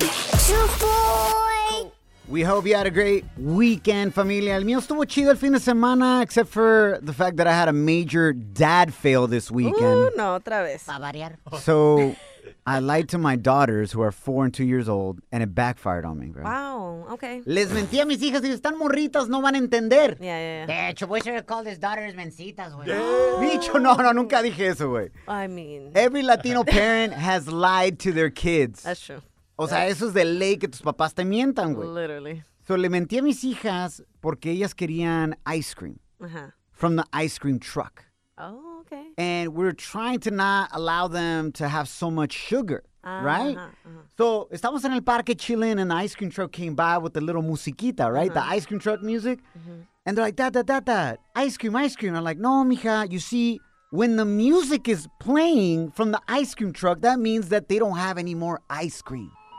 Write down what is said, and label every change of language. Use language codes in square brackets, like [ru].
[en] Shaboy. We hope you had a great weekend, familia. [es] El mío estuvo chido el fin de semana, [en] except for the fact that I had a major dad fail this weekend. [es] Ooh, no, otra vez. Pa variar. [en] So I lied to my daughters, who are 4 and 2 years old, and it backfired on me, bro. Wow, okay. [es] Les mentí a mis hijas, y están morritas, no van a entender. [en] Yeah. [es] De hecho, [en] we should have called his daughters mencitas, güey. [es] Bicho, no, nunca dije eso, güey. [en] I mean. Every Latino parent has lied to their kids. That's true. [es] O sea, eso es de ley que tus papás te mientan, güey. [en] Literally. [es] So, le mentí a mis hijas porque ellas querían [en] ice cream. Uh-huh. From the ice cream truck. Oh, okay. And we're trying to not allow them to have so much sugar, uh-huh, right? Uh-huh. So, [es] estamos en el parque [en] chilling and the ice cream truck came by with the little musiquita, right? Uh-huh. The ice cream truck music. Uh-huh. And they're like, dad, ice cream. I'm like, no, mija, you see, when the music is playing from the ice cream truck, that means that they don't have any more ice cream.